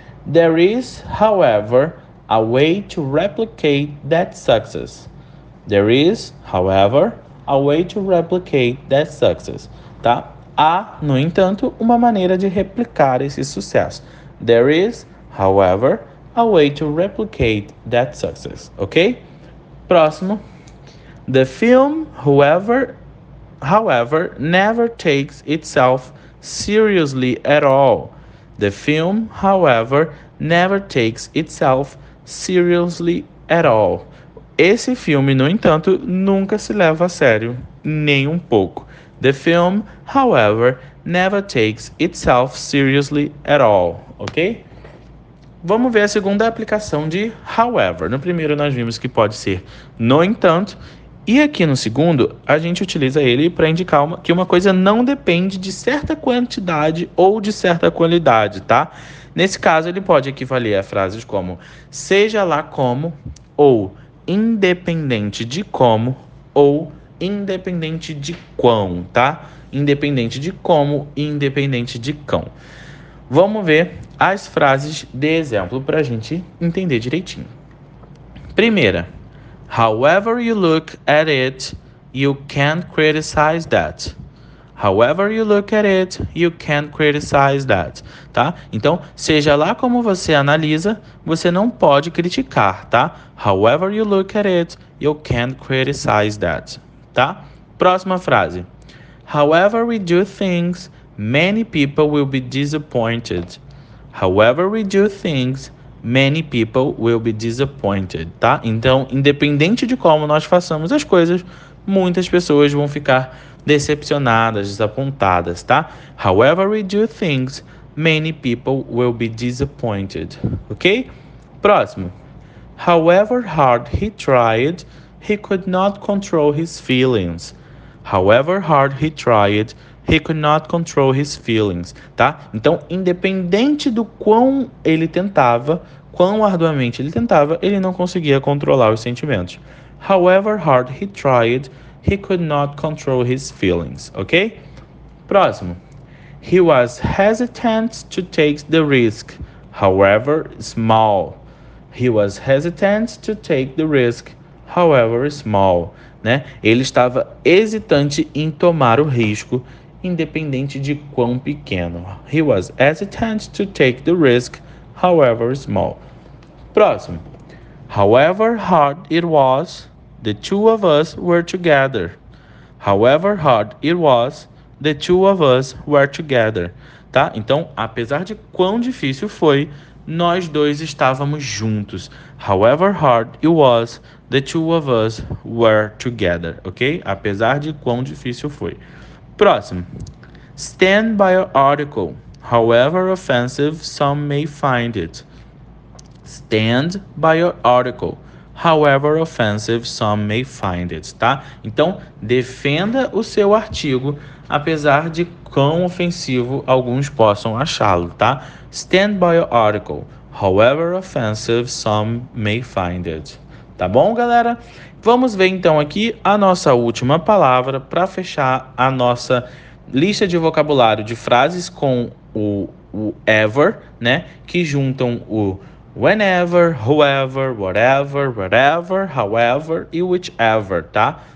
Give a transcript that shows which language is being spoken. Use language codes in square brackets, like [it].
[en] There is, however, a way to replicate that success. There is, however, a way to replicate that success. [pt] Tá? Há, no entanto, uma maneira de replicar esse sucesso. [en] There is, however, a way to replicate that success. [pt] Ok? Próximo. [en] The film, however, never takes itself seriously at all. The film, however, never takes itself seriously at all. [pt] Esse filme, no entanto, nunca se leva a sério, nem um pouco. [en] The film, however, never takes itself seriously at all. [pt] Ok? Vamos ver a segunda aplicação de however. No primeiro, nós vimos que pode ser no entanto. E aqui no segundo, a gente utiliza ele para indicar que uma coisa não depende de certa quantidade ou de certa qualidade, tá? Nesse caso, ele pode equivaler a frases como seja lá como, ou independente de como, ou independente de quão, tá? Independente de como e independente de cão. Vamos ver as frases de exemplo para a gente entender direitinho. Primeira. [en] However you look at it, you can't criticize that. However you look at it, you can't criticize that. [pt] Tá? Então, seja lá como você analisa, você não pode criticar, tá? [en] However you look at it, you can't criticize that. [pt] Tá? Próxima frase. [en] However we do things, many people will be disappointed. However we do things, many people will be disappointed, tá? [pt] Então, independente de como nós façamos as coisas, muitas pessoas vão ficar decepcionadas, desapontadas, tá? [en] However we do things, many people will be disappointed, ok? [pt] Próximo. [en] However hard he tried, he could not control his feelings. However hard he tried, he could not control his feelings, tá? [pt] Então, independente do quão ele tentava, quão arduamente ele tentava, ele não conseguia controlar os sentimentos. [en] However hard he tried, he could not control his feelings, ok? [pt] Próximo. [en] He was hesitant to take the risk, however small. He was hesitant to take the risk, however small. [pt] Né? Ele estava hesitante em tomar o risco, independente de quão pequeno. [en] He was hesitant to take the risk, however small. [pt] Próximo. [en] However hard it was, the two of us were together. However hard it was, the two of us were together. [pt] Tá? Então, apesar de quão difícil foi, nós dois estávamos juntos. [en] However hard it was, the two of us were together. Ok? [pt] Apesar de quão difícil foi. Próximo. [en] Stand by your article, however offensive some may find it. Stand by your article, however offensive some may find it. [pt] Tá? Então, defenda o seu artigo, apesar de quão ofensivo alguns possam achá-lo, tá? Stand by your article, however offensive some may find it. Tá bom, galera? Vamos ver, então, aqui a nossa última palavra para fechar a nossa lista de vocabulário de frases com o ever, né? Que juntam o whenever, whoever, whatever, whatever, however e whichever, tá?